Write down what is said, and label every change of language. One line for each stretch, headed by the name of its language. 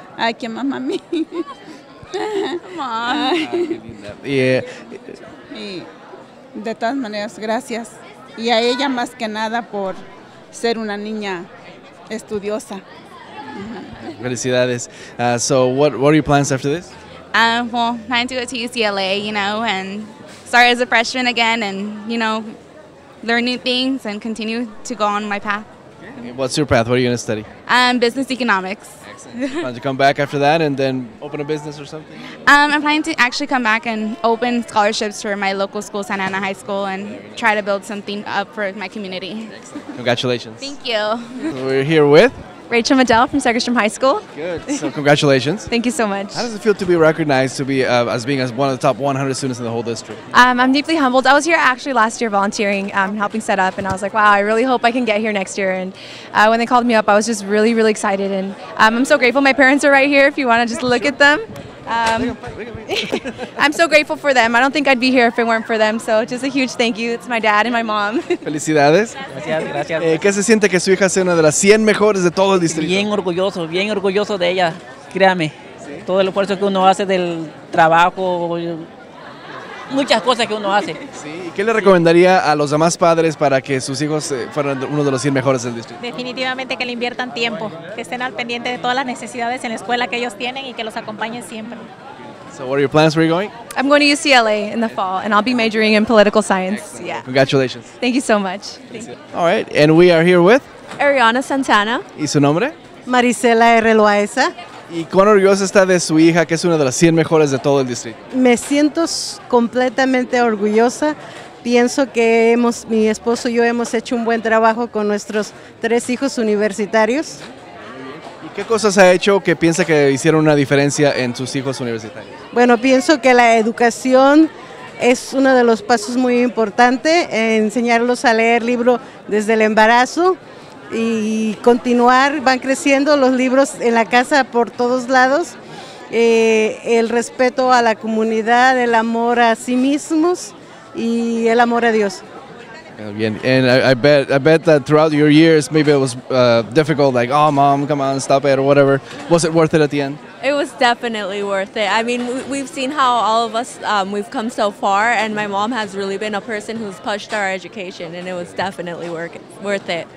Spanish: Ay, qué mamá mí.
English: Come on.
Spanish: Ay, qué linda. Yeah. Y de todas maneras, gracias. Y a ella más que nada por ser una niña estudiosa. Felicidades.
English: So what are your plans after this? Well, plan to go to UCLA, you know, and start as a freshman again and, you know, learn new things and continue to go on my path. Okay. What's your path? What are you going to study? Business economics. Excellent. Plan to come back after that and then open a business or something? I'm planning to actually come back and open scholarships for my local school, Santa Ana High School, and try to build something up for my community. Excellent. Congratulations. Thank you. So we're here with? Rachel Medell from Segerstrom High School. Good. So congratulations. Thank you so much. How does it feel to be recognized to be as being as one of the top 100 students in the whole district? I'm deeply humbled. I was here actually last year volunteering, helping set up, and I was like, wow, I really hope I can get here next year. And when they called me up, I was just really, really excited. And I'm so grateful my parents are right here if you want to just look at them. I'm so grateful for them. I don't think I'd be here if it weren't for them. So just a huge thank you. It's my dad and my mom.
Spanish: Felicidades. Gracias, gracias. ¿Qué se siente que su hija sea una de las 100 mejores de todo el distrito? Bien orgulloso de ella. Créame. ¿Sí? Todo el esfuerzo que uno hace del trabajo, muchas cosas que uno hace. Sí. ¿Qué le recomendaría a los demás padres para que sus hijos fueran uno de los 100 mejores del distrito? Definitivamente que le inviertan tiempo, que estén al pendiente de todas las necesidades en la escuela que ellos tienen y que los acompañen siempre.
English: So what are your plans? Where are you going? I'm going to UCLA in the fall, and I'll be majoring in political science. Excellent. Yeah. Congratulations. Thank you so much. All right, and we are here with? Ariana Santana.
Spanish: ¿Y su nombre? Maricela R. Loaiza. ¿Y cuán orgullosa está de su hija, que es una de las 100 mejores de todo el distrito? Me siento completamente orgullosa. Pienso que mi esposo y yo hemos hecho un buen trabajo con nuestros tres hijos universitarios. ¿Y qué cosas ha hecho que piensa que hicieron una diferencia en sus hijos universitarios? Bueno, pienso que la educación es uno de los pasos muy importantes, enseñarlos a leer libros desde el embarazo. Y continuar, van creciendo los libros en la casa por todos lados, el respeto a la comunidad, el amor a sí mismos y el amor a Dios.
English: And I bet that throughout your years, maybe it was difficult, like, oh, mom, come on, stop it, or whatever. Was it worth it at the end? It was definitely worth it. I mean, we've seen how all of us, we've come so far, and my mom has really been a person who's pushed our education, and it was definitely worth it.